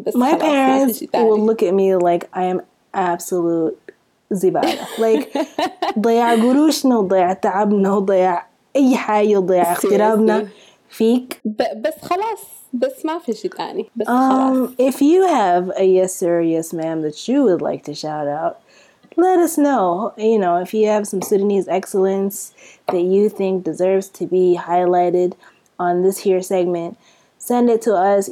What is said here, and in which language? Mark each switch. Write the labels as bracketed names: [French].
[English] My parents will look at me like I am absolute زبالة. [Arabic] Like, ضيع قروشنا وضيع تعبنا وضيع أي حاجة وضيع اغترابنا فيك. بس خلاص. بس ما في شيء تاني. [English] If you have a yes sir, yes ma'am that you would like to shout out, let us know. You know, if you have some Sudanese excellence that you think deserves to be highlighted on this here segment, send it to us.